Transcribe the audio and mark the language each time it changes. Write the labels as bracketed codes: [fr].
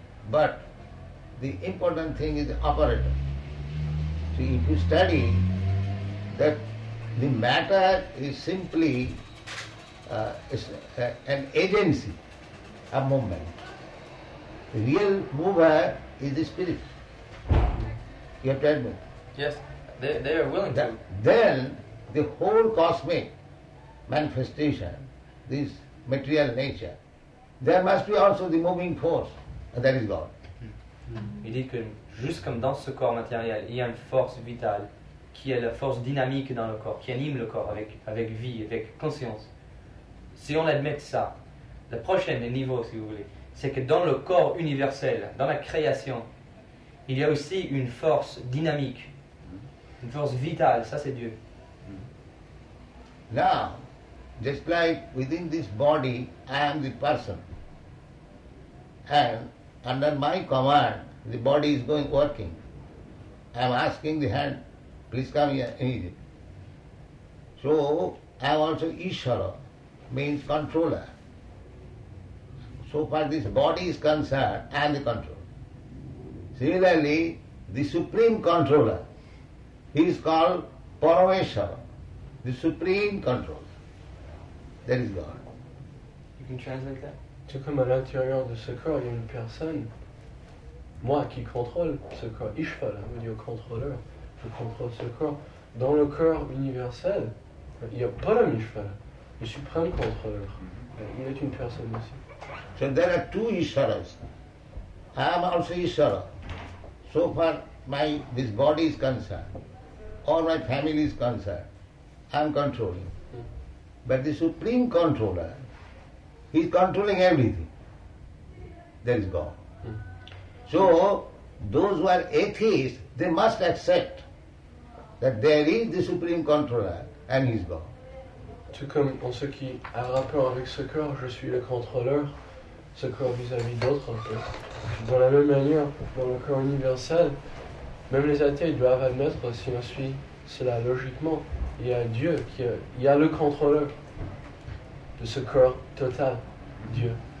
[en] But the important thing is the operator. See, if you study that the matter is simply an agency, a movement, the real mover is the spirit. You have to admit. Yes, they are willing that, to. Then the whole cosmic manifestation, this material nature, there must be also the moving force, and that is God. Mm-hmm. [fr] Il dit que juste comme dans ce corps matériel, il y a une force vitale qui est la force dynamique dans le corps, qui anime le corps avec vie, avec conscience. Si on admet ça, le prochain niveau, si vous voulez, c'est que dans le corps universel, dans la création, il y a aussi une force dynamique, une force vitale, ça c'est Dieu. [en] Now, just like within this body, I am the person. And under my command, the body is going working. I am asking the hand, please come here, anything. So, I am also Ishvara, means controller. So far this body is concerned, I am the controller. Similarly, the supreme controller, he is called Parameshvara, the supreme controller. That is God. You can translate that? [fr] Tout comme à l'intérieur de ce corps, il y a une personne, moi qui contrôle ce corps, Ishvara, veut dire contrôleur, je contrôle ce corps. Dans le corps universel, il y a Parameshvara, le suprême contrôleur. Il est une personne aussi. [en] So there are two Isharas. I am also Ishvara. So far my this body is concerned, or my family is concerned, I am controlling. But the supreme controller, he is controlling everything. That is God. So those who are atheists, they must accept that there is the supreme controller and he is God. [fr] Tout comme pour ceux qui ont un rapport avec ce corps, je suis le contrôleur, ce corps vis-à-vis d'autres. Dans la même manière, dans le corps universel, même les athées doivent admettre, si on suit cela logiquement, il y a Dieu, il y a le contrôleur de ce corps total, Dieu.